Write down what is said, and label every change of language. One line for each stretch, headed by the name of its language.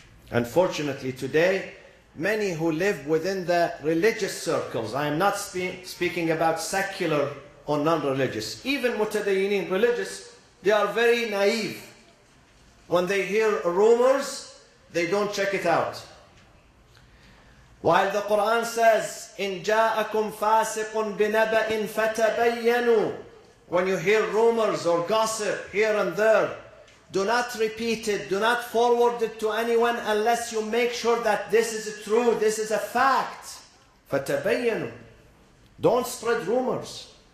English: Unfortunately, today, many who live within the religious circles, I am not speaking about secular or non-religious, even mutadayyinin religious, they are very naive. When they hear rumors, they don't check it out. While the Quran says,
Arabic: إِن جَاءَكُمْ فَاسِقٌ بِنَبَئٍ فَتَبَيَّنُوا.
English: When you hear rumors or gossip here and there, do not repeat it, do not forward it to anyone unless you make sure that this is true, this is a fact. فَتَبَيَّنُوا. Don't spread rumors.